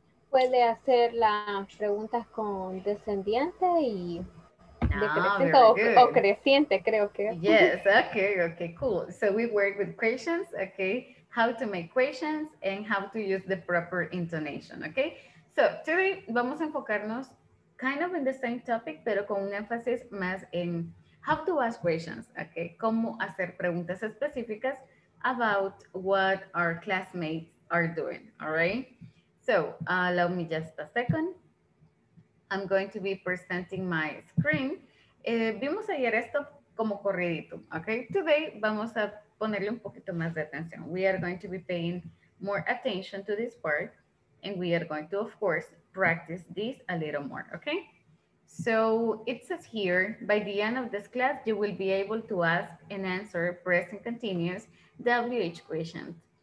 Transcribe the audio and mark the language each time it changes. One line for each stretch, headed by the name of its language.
Spanish: Puede hacer las preguntas con descendiente y decreciente o creciente, creo que.
English: Yes, okay, okay, cool. So we work with questions, okay. How to make questions and how to use the proper intonation, okay? So today,
Spanish: vamos a enfocarnos
English: kind of in the same topic,
Spanish: pero con un énfasis más en
English: how to ask questions, okay?
Spanish: Cómo hacer preguntas específicas
English: about what our classmates are doing, all right? So allow me just a second. I'm going to be presenting my screen.
Spanish: Vimos ayer esto como corridito, okay? Today, vamos a ponerle un poquito más de atención.
English: We are going to be paying more attention to this part, and we are going to, of course, practice this a little more, okay? So it says here, by the end of this class, you will be able to ask and answer present continuous WH questions.